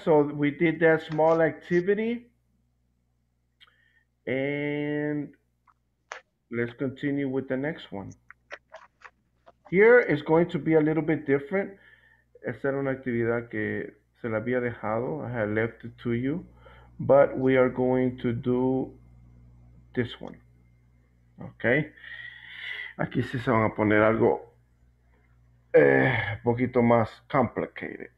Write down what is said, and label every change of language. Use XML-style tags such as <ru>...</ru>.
<en>So we did that small activity. And let's continue with the next one. Here is going to be a little bit different.</en> <es>Esta era una actividad que se la había dejado.</es> <en>I had left it to you. But we are going to do this one. Okay.</en> <es>Aquí sí se van a poner algo poquito más complicated.</es>